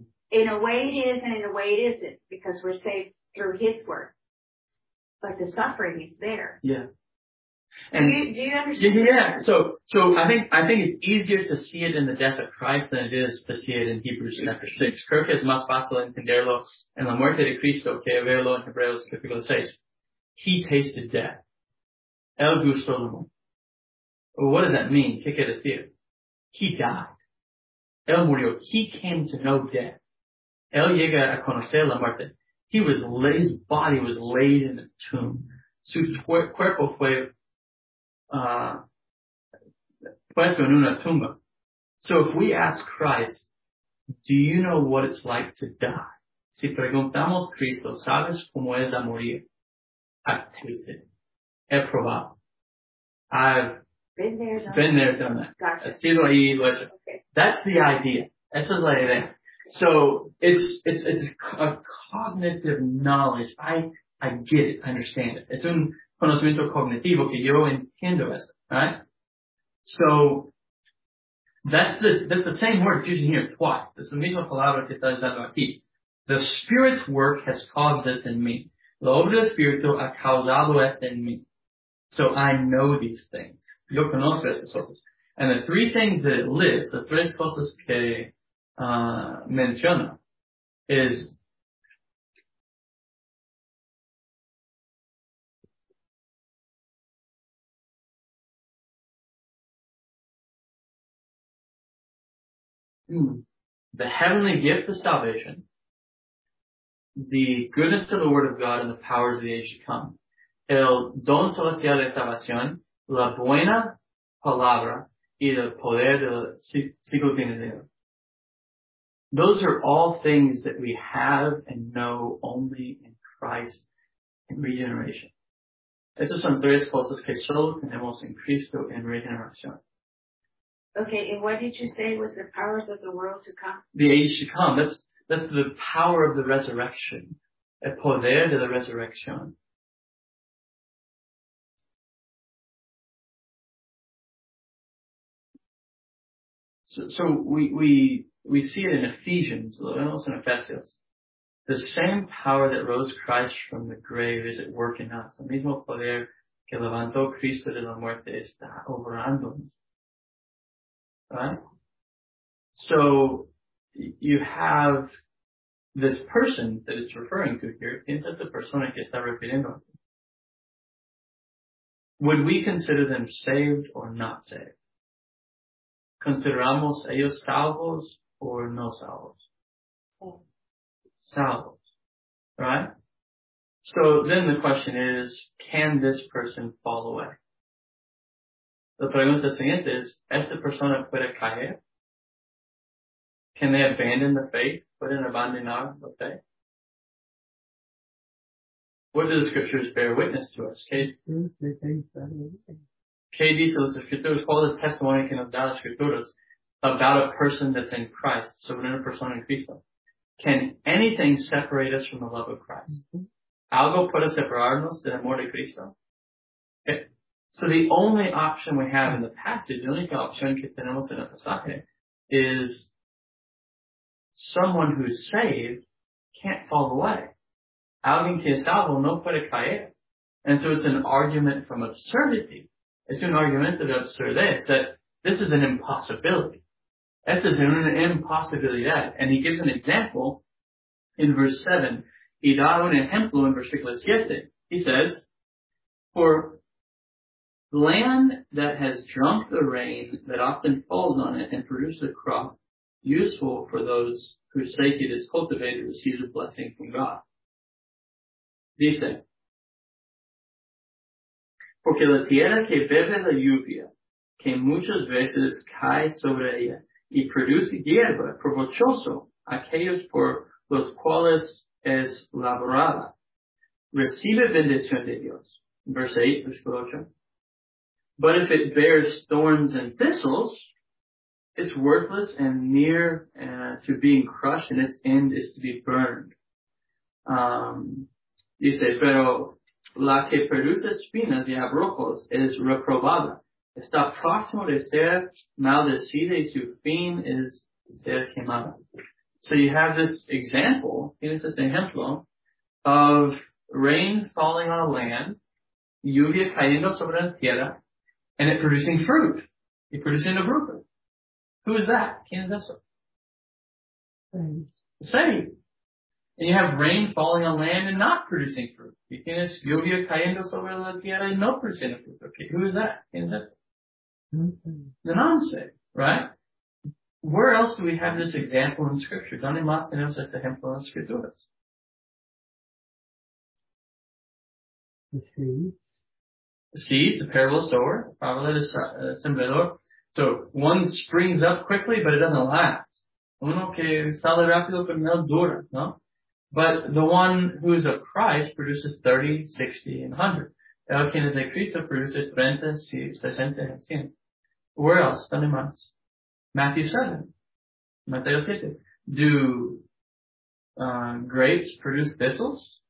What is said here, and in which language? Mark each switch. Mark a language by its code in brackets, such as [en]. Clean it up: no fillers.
[en] In a way it is, and in a way it isn't, because we're saved through his work. But the suffering is there. Yeah. And do you understand? Yeah. So I think it's easier to see it in the death of Christ than it is to see it in Hebrews chapter 6. [es] Creo que es más fácil entenderlo en la muerte de Cristo que verlo en Hebreos capítulo 6. [en] He tasted death. [es] El gustó la muerte. [en] Well, what does that mean? [es] ¿Qué quiere decir? [en] He died. [es] El murió. [en] He came to know death. [es] Él llega a conocer la muerte. [en] His body was laid in a tomb. [es] Su cuerpo fue puesto en una tumba. [en] So if we ask Christ, do you know what it's like to die? [es] Si preguntamos a Cristo, ¿sabes cómo es a morir? [en] I've tasted. [es] He probado. [en] I've been there, done that. Gotcha. [es] He sido ahí, lo hecho. [en] Okay. That's the idea. [es] Esa es la idea. [en] Okay. So it's a cognitive knowledge. I get it. I understand it. It's [es] un conocimiento cognitivo que yo entiendo esto, [en] right? So that's the same word it's using here twice. [es] Es la misma palabra que está usando aquí. [en] The Spirit's work has caused this in me. [es] La obra del Espíritu ha causado esto en mí. [en] So I know these things. [es] Yo conozco estas cosas. [en] And the three things that it lists, the [es] tres cosas que menciona, [en] is the heavenly gift of salvation, the goodness of the word of God, and the powers of the age to come. [es] El don celestial de salvación, la buena palabra, y el poder del siglo venidero. [en] Those are all things that we have and know only in Christ and regeneration. [es] Esas son tres cosas que solo tenemos en Cristo en regeneración. [en] Okay, and what did you say was the powers of the world to come? The age to come. That's the power of the resurrection. [es] El poder de la resurrección. [en] So we see it in Ephesians, and also in Ephesians. The same power that rose Christ from the grave is at work in us. [es] El mismo poder que levantó Cristo de la muerte está obrando. [en] Right? So you have this person that it's referring to here. [es] ¿Quién es la persona que está refiriendo? [en] Would we consider them saved or not saved? [es] ¿Consideramos ellos salvos or no salvos? Salvos. [en] Right? So then the question is, can this person fall away? [es] La pregunta siguiente es, ¿esta persona puede caer? [en] Can they abandon the faith? [es] ¿Pueden abandonar la fe? [en] What do the scriptures bear witness to us? [es] ¿Qué dice las escrituras? ¿Cuál es el testimonio que nos da las escrituras? [en] About a person that's in Christ. So we're in a [es] persona en Cristo. [en] Can anything separate us from the love of Christ? [es] Mm-hmm. ¿Algo puede separarnos del amor de Cristo? Okay. [en] So the only option we have in the passage, the [es] única opción que tenemos en el pasaje, [en] is someone who's saved can't fall away. [es] Alguien que es salvo no puede caer. [en] And so it's an argument from absurdity. [es] Es un argumento de absurdez [en] that this is an impossibility. [es] Esta es una impossibilidad. [en] And he gives an example in verse 7. [es] Y da un ejemplo en versículo 7. [en] He says, for land that has drunk the rain that often falls on it and produces a crop useful for those whose sake it is cultivated receives a blessing from God. [es] Dice, porque la tierra que bebe la lluvia, que muchas veces cae sobre ella, y produce hierba, provechoso, aquellos por los cuales es labrada, recibe bendición de Dios. [en] Verse 8, verse 8. But if it bears thorns and thistles, it's worthless and near to being crushed, and its end is to be burned. [es] Dice, pero la que produce espinas y abrojos es reprobada. Está próximo de ser maldecida y su fin es ser quemada. [en] So you have this example, [es] tienes este ejemplo, [en] of rain falling on land, [es] lluvia cayendo sobre la tierra, [en] and it producing fruit. Y producing a fruto. Who is that? [es] ¿Quién es eso? [en] Say. And you have rain falling on land and not producing fruit. You can just [es] lluvia cayendo sobre la tierra [en] and no producing fruit. Okay, who is that? Is that the non-saved, right? Where else do we have this example in scripture? [es] ¿Dónde más tenemos este ejemplo en escrituras? [en] The seeds. The seeds, the parable sower, probably the sembrador. So one springs up quickly, but it doesn't last. [es] Uno que sale rápido, pero no dura, ¿no? [en] But the one who is of Christ produces 30, 60, and 100. [es] El quien es de Cristo [en] produces 30, 60, and 100. Where else? [es] ¿Dónde más? [en] Matthew 7. [es] Mateo 7. [en] Do grapes produce thistles?